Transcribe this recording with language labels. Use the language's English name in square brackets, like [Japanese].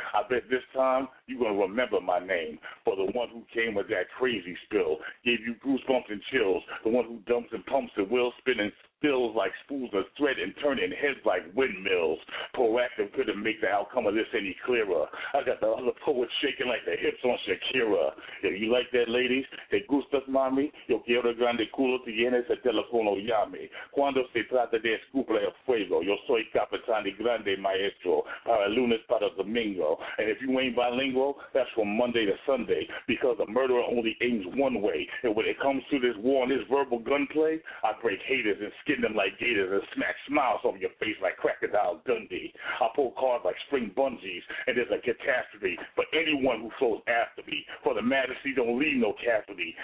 [English] I bet this time you're gonna remember my name for the one who came with that crazy spill, gave you goosebumps and chills, the one who dumps and pumps and will spin and spills like spools of thread and turning heads like windmills. Proactive couldn't make the outcome of this any clearer. I got the other poets shaking like the hips on Shakira. If you like that, ladies, [Spanish] te gustas, mami, yo quiero grande culo, tienes el teléfono, llame. Cuando se trata de escupir el fuego, yo soy capitán y grande maestro, para lunes, para domingo. [English] And if you ain't bilingual, that's from Monday to Sunday, because a murderer only aims one way. And when it comes to this war and this verbal gunplay, I break haters and skin them like gators and smack smiles off your face like Crocodile Dundee. I pull cards like spring bungees, and there's a catastrophe for anyone who flows after me, for the majesty don't leave no casualty.